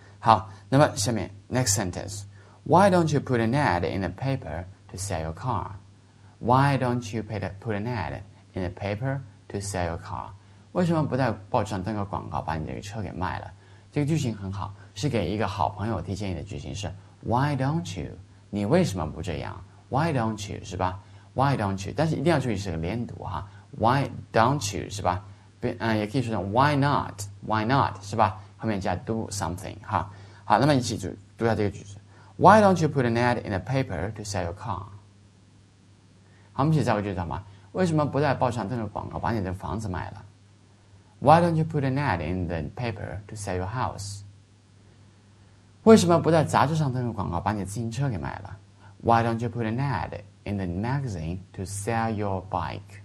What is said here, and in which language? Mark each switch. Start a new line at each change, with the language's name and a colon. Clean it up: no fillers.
Chinese: 好，那么下面
English: next sentence， Why don't you put an ad in the paper to sell your car？ Why don't you put an ad in the paper to sell your car？
Chinese: 为什么不在报纸上登个广告把你这个车给卖了？这个句型很好，是给一个好朋友提建议的句型，是
English: Why don't you，
Chinese: 你为什么不这样， Why don't you， 是吧？
English: Why don't you，
Chinese: 但是一定要注意是个连读哈， Why don't you， 是吧？也可以说成
English: Why not，
Chinese: Why not， 是吧？后面加
English: do something
Chinese: 哈。好，那么一起读一下这个句子，
English: Why don't you put an ad in a paper to sell your car。
Chinese: 好，我们一起造个句子好吗？为什么不在报纸上登个广告把你的房子卖了？
English: Why don't you put an ad in the paper to sell your house？
Chinese: 为什么不在杂志上登个广告把你的自行车给卖了？
English: Why don't you put an ad in the magazine to sell your bike？